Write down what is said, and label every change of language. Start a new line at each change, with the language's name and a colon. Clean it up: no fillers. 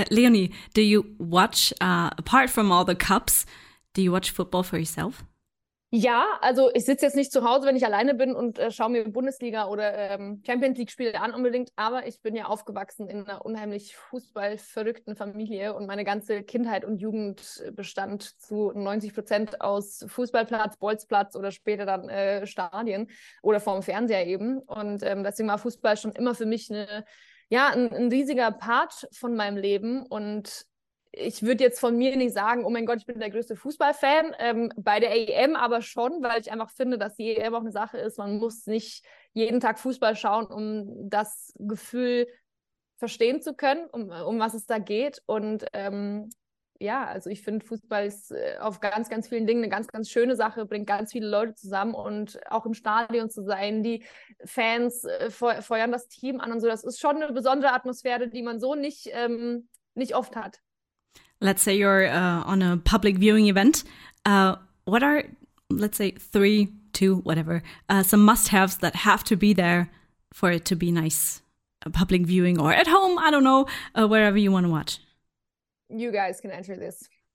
English: Leonie, do you watch, apart from all the cups, do you watch football for yourself?
German: Ja, also ich sitze jetzt nicht zu Hause, wenn ich alleine bin und schaue mir Bundesliga oder Champions League-Spiele an unbedingt, aber ich bin ja aufgewachsen in einer unheimlich fußballverrückten Familie und meine ganze Kindheit und Jugend bestand zu 90% aus Fußballplatz, Bolzplatz oder später dann Stadien oder vorm Fernseher eben. Und deswegen war Fußball schon immer für mich ein riesiger Part von meinem Leben. Und ich würde jetzt von mir nicht sagen, oh mein Gott, ich bin der größte Fußballfan, bei der EM aber schon, weil ich einfach finde, dass die EM auch eine Sache ist. Man muss nicht jeden Tag Fußball schauen, um das Gefühl verstehen zu können, um was es da geht. Und also ich finde, Fußball ist auf ganz, ganz vielen Dingen eine ganz, ganz schöne Sache, bringt ganz viele Leute zusammen und auch im Stadion zu sein, die Fans feuern das Team an und so. Das ist schon eine besondere Atmosphäre, die man so nicht oft hat.
English: Let's say you're on a public viewing event. What are, let's say, 3, 2, whatever, some must-haves that have to be there for it to be nice public viewing or at home, I don't know, wherever you want to watch. You guys can answer this.